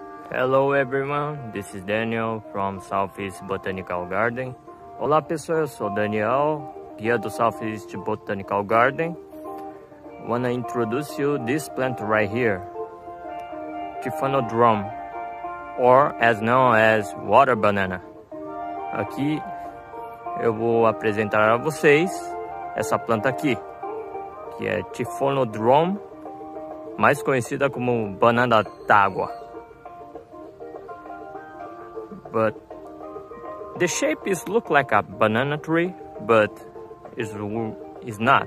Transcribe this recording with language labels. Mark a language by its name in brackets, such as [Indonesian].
[English] Hello everyone, this is Daniel from Southeast Botanical Garden. [Portuguese] Olá pessoal, eu sou Daniel, guia do Southeast Botanical Garden. [English] Wanna introduce you this plant right here, Tiffanodrome, or as known as water banana. [Portuguese] Aqui eu vou apresentar a vocês essa planta aqui, que é Tiffanodrome, mais conhecida como banana d'água. [English] But the shape is look like a banana tree, but is not.